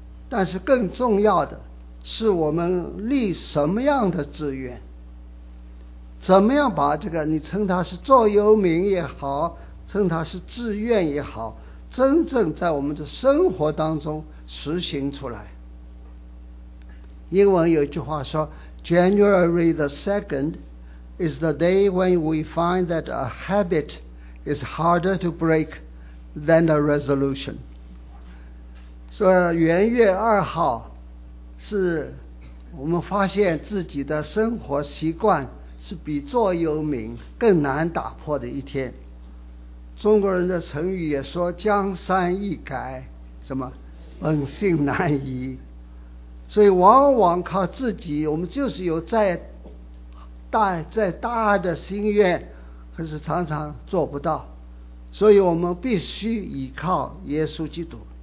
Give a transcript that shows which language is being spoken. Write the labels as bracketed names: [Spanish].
[Chinese] 但是更重要的是我们立什么样的志愿，怎么样把这个，你称它是座右铭也好，称它是志愿也好，真正在我们的生活当中实行出来。英文有一句话说， [English] January the 2nd is the day when we find that a habit is harder to break than a resolution. [Chinese] 所以元月二号是我们发现自己的生活习惯是比座右铭更难打破的一天。中国人的成语也说江山易改，什么本性难移，所以往往靠自己，我们就是有再大的心愿，可是常常做不到，所以我们必须依靠耶稣基督。